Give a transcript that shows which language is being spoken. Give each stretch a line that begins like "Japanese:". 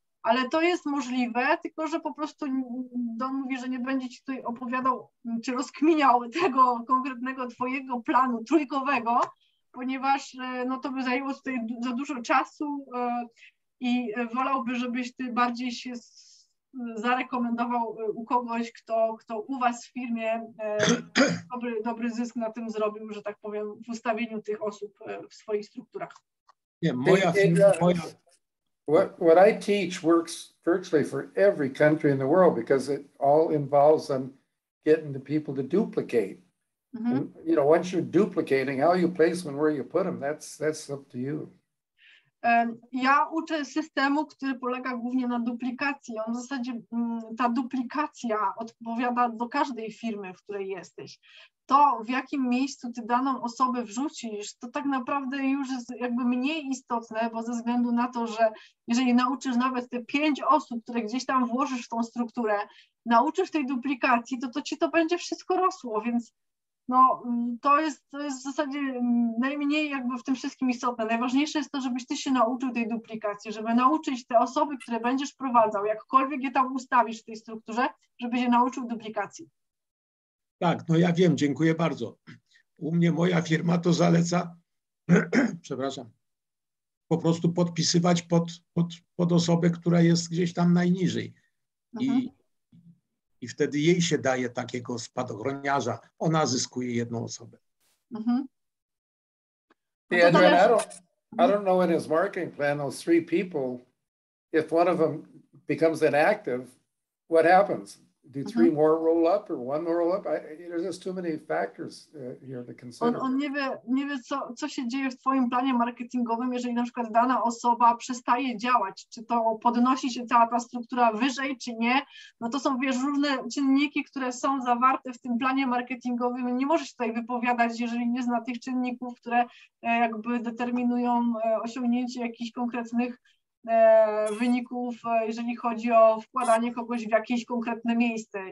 Polish: Ale to jest możliwe, tylko że po prostu Don mówi, że nie będzie ci tutaj opowiadał, czy rozkminiał tego konkretnego twojego planu trójkowego, ponieważ no, to by zajęło tutaj za dużo czasu i wolałby, żebyś ty bardziej się zarekomendował u kogoś, kto u was w firmie dobry zysk na tym zrobił, że tak powiem, w ustawieniu tych osób w swoich strukturach. Nie, moja firma.
English: What I teach works virtually for every country in the world because it all involves them getting the people to duplicate. You know, once you're duplicating, how you place them and where you put them, that's up to you.
Polish: Ja uczę systemu, który polega głównie na duplikacji. On w zasadzie, ta duplikacja odpowiada do każdej firmy, w której jesteś. To, w jakim miejscu ty daną osobę wrzucisz, to tak naprawdę już jest jakby mniej istotne, bo ze względu na to, że jeżeli nauczysz nawet te 5 osób, które gdzieś tam włożysz w tą strukturę, nauczysz tej duplikacji, to ci to będzie wszystko rosło, więc no to jest w zasadzie najmniej jakby w tym wszystkim istotne. Najważniejsze jest to, żebyś ty się nauczył tej duplikacji, żeby nauczyć te osoby, które będziesz wprowadzał, jakkolwiek je tam ustawisz w tej strukturze, żeby się nauczył duplikacji. Tak, no ja wiem, dziękuję bardzo. U mnie moja firma to zaleca, przepraszam, po prostu podpisywać pod osobę, która jest gdzieś tam najniżej. I wtedy jej się daje takiego spadochroniarza. Ona zyskuje jedną osobę. Mm-hmm.
English: Yeah, Adrian, I don't know in his marketing plan, those three people, if one of them becomes inactive, what happens? Do three more roll up or one more roll up? There's just too many factors here to consider.
Polish: On nie wie co się dzieje w twoim planie marketingowym, jeżeli na przykład dana osoba przestaje działać. Czy to podnosi się cała ta struktura wyżej, czy nie? No to są, wiesz, różne czynniki, które są zawarte w tym planie marketingowym. Nie możesz tutaj wypowiadać, jeżeli nie zna tych czynników, które jakby determinują osiągnięcie jakichś konkretnych wyników, jeżeli chodzi o wkładanie kogoś w jakieś konkretne miejsce.